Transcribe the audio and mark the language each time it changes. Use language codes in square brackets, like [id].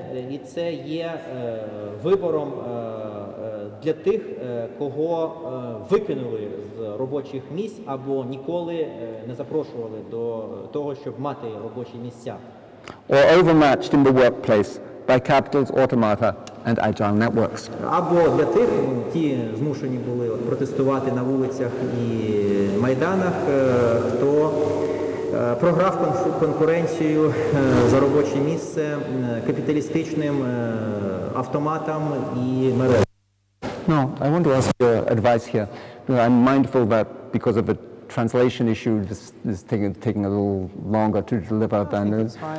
[uk] І це є вибором для тих, кого викинули з робочих місць або ніколи не запрошували до того, щоб мати робочі місця. [en] Or overmatched in the workplace by capital's automata and agile networks. [uk] Або для тих, які змушені були протестувати на вулицях і майданах, хто програв конкуренцію за робоче місце капіталістичним автоматам і мережам. [en] No, I want to ask your advice here. I'm mindful that because of the translation issue, this is taking a little longer to deliver than is.